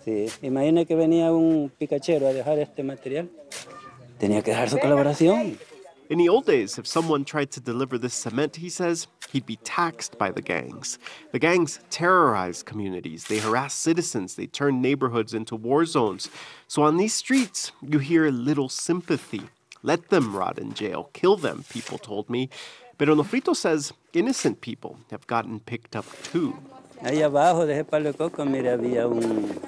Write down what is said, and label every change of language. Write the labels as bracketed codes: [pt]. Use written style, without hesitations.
[es] Imagine venía un picachero a dejar este material. Tenía que dejar su colaboración. [en] In the old days, if someone tried to deliver this cement, he says, he'd be taxed by the gangs. The gangs terrorized communities. They harassed citizens. They turned neighborhoods into war zones. So on these streets, you hear little sympathy. Let them rot in jail. Kill them, people told me. Pero Nofrito says innocent people have gotten picked up too. [es] Ahí abajo, de Palo Coco, mira, había un...